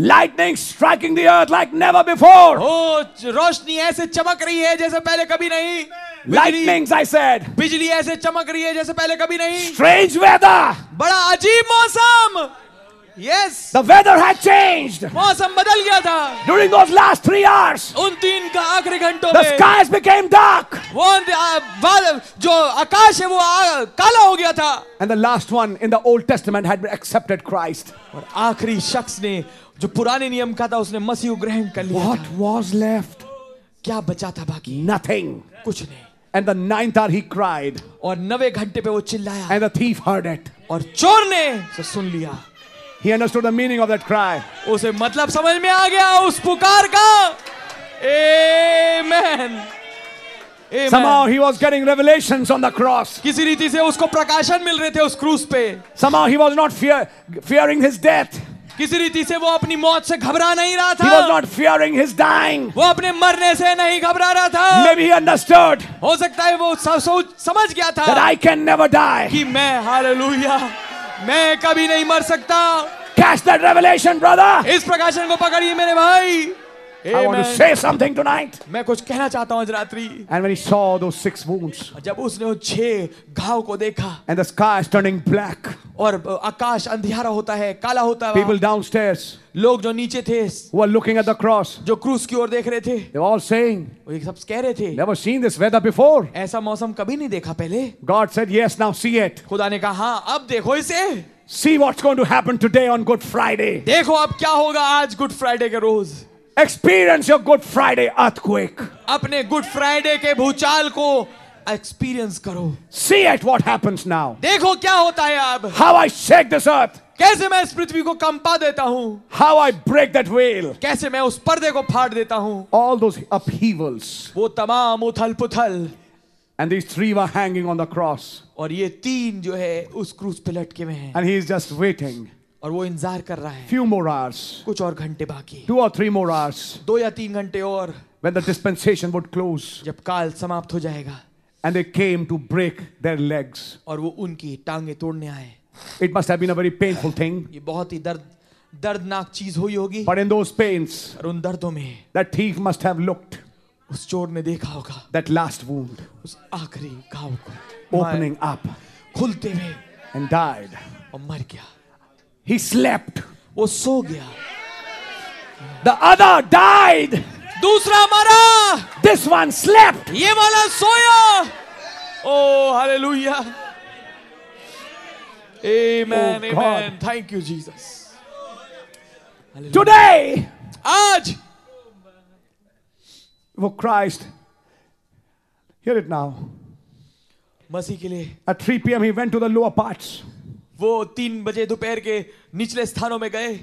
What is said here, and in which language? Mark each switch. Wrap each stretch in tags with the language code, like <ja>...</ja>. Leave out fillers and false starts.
<en>Lightning striking the earth like never before.</en> <hi>ओ रोशनी ऐसे चमक रही है जैसे पहले कभी नहीं.</hi> <en>Lightnings, I said.</en> <hi>बिजली ऐसे चमक रही है जैसे पहले कभी नहीं.</hi> <en>Strange weather.</en> <hi>बड़ा अजीब मौसम. Yes.</hi> <en>The weather had changed.</en> <hi>मौसम बदल गया था.</hi> <en>During those last 3 hours.</en> <hi>उन तीन का आखिरी घंटों में.</hi> <en>The skies became dark.</en> <hi>वो जो आकाश है वो काला हो गया था.</hi> <en>And the last one in the Old Testament had accepted Christ.</en> <hi>और आखिरी शख्स ने जो पुराने नियम का था उसने मसीह को ग्रहण कर लिया.</hi> <en>What was left?</en> <hi>क्या बचा था बाकी?</hi> <en>Nothing.</en> <hi>कुछ नहीं.</hi> <en>And the ninth hour he cried.</en> <hi>और नवे घंटे पे वो चिल्लाया.</hi> <en>And the thief heard it.</en> <hi>और चोर ने सुन लिया.</hi> <en>He understood the meaning of that cry.</en> <hi>उसे मतलब समझ में आ गया उस पुकार का.</hi> <en>Amen. Amen. Somehow he was getting revelations on the cross.</en> <hi>किसी रीति से उसको प्रकाशन मिल रहे थे उस क्रूस पे.</hi> <en>Somehow he was not fearing his death.</en> <hi>किसी रीति से वो अपनी मौत से घबरा नहीं रहा था.</hi> <en>He was not fearing his dying.</en> <hi>वो अपने मरने से नहीं घबरा रहा था.</hi> <en>Maybe he understood.</en> <hi>हो सकता है वो समझ गया था.</hi> <en>That I can never die.</en> <hi>कि मैं हालेलुया मैं कभी नहीं मर सकता.</hi> <en>Catch that revelation, brother.</en> <hi>इस प्रकाशन को पकड़िए मेरे भाई.</hi> <en>Amen. I want to say something tonight.</en> <hi>मैं कुछ कहना चाहता हूँ आज रात्रि.</hi> <en>And when he saw those six wounds.</en> <hi>जब उसने उस छह घाव को देखा.</hi> <en>And the sky is turning black.</en> <hi>और आकाश अंधियारा होता है, काला होता है.</hi> <en>People downstairs.</en> <hi>लोग जो नीचे थे.</hi> <en>Who were looking at the cross.</en> <hi>जो क्रूस की ओर देख रहे थे.</hi> <en>They were all saying.</en> <hi>वो ये सब कह रहे थे.</hi> <en>Never seen this weather before.</en> <hi>ऐसा मौसम कभी नहीं देखा पहले.</hi> <en>God said, "Yes, now see it."</en> <hi>खुदा ने कहा, हाँ, अब देखो इसे.</hi> <en>See what's going to happen today on Good Friday.</en> <hi>देखो अब क्या होगा आज Good Friday के रोज.</hi> <en>Experience your Good Friday earthquake.</en> <hi>अपने Good Friday के भूचाल को experience करो.</hi> <en>See at what happens now.</en> <hi>देखो क्या होता है अब.</hi> <en>How I shake this earth.</en> <hi>कैसे मैं इस पृथ्वी को कंपा देता हूँ.</hi> <en>How I break that veil.</en> <hi>कैसे मैं उस पर्दे को फाड़ देता हूँ.</hi> <en>All those upheavals.</en> <hi>वो तमाम उथल पुथल.</hi> <en>And these three were hanging on the cross.</en> <hi>और ये तीन जो है उस क्रूस पे लटके हुए हैं.</hi> <en>And he is just waiting.</en> <hi>और वो इंतजार कर रहा है.</hi> <en>Few more hours.</en> <hi>कुछ और घंटे बाकी.</hi> <en>Two or three more hours.</en> <hi>दो या तीन घंटे और.</hi> <en>When the dispensation would close.</en> <hi>जब काल समाप्त हो जाएगा.</hi> <en>And they came to break their legs.</en> <hi>और वो उनकी टांगे तोड़ने आए.</hi> <en>It must have been a very painful thing.</en> <hi>ये बहुत ही दर्दनाक चीज हुई होगी.</hi> <en>But in those pains.</en> <hi>और उन दर्दों में.</hi> <en>That thief must have looked.</en> <hi>उस चोर ने देखा होगा.</hi> <en>That last wound.</en> <hi>उस आखिरी घाव को.</hi> <en>Opening up.</en> <hi>खुलते हुए.</hi> <en>And died.</en> <hi>और मर गया.</hi> <en>He slept.</en> <hi>वो सो गया.</hi> <en>The other died.</en> <hi>दूसरा मरा.</hi> <en>This one slept.</en> <hi>ये वाला सोया.</hi> <en>Oh hallelujah. Amen. Oh, God. Amen. Thank you Jesus. Hallelujah. Today.</en> <hi>आज.</hi> <en>वो Christ. Hear it now.</en> <hi>मसीह के लिए.</hi> <en>At 3 p.m. he went to the lower parts.</en> <hi>वो 3 बजे दोपहर के निचले स्थानों में गए.</hi>